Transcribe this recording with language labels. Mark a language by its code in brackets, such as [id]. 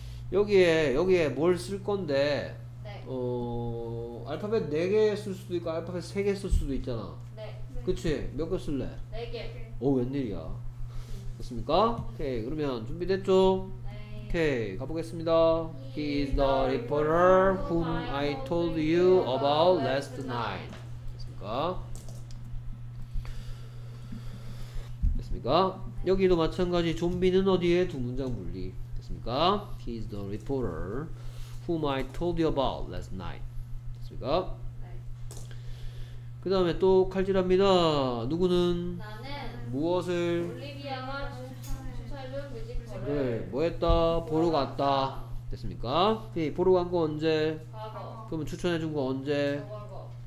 [ko] 여기에 뭘 쓸 건데? 네. 알파벳 4개 쓸 수도 있고 알파벳 3개 쓸 수도 있잖아. 그치? 몇 개 쓸래? 네 개. 오, 웬일이야. 됐습니까? 오케이, 그러면 준비됐죠? 네. 오케이, 가보겠습니다. [en] He is the reporter whom I told you about last night. [ko] 됐습니까? 네. 여기도 마찬가지, 좀비는 어디에? 두 문장 분리. 됐습니까? [en] He is the reporter whom I told you about last night. [ko] 됐습니까? 그 다음에 또 칼질합니다. 누구는? 나는 무엇을? 올리비아와 주차료 뮤지컬을 네, 뭐 했다? 보러 갔다. 됐습니까? 네, 보러 간 거 언제? 과거. 그러면 추천해 준 거 언제? 저거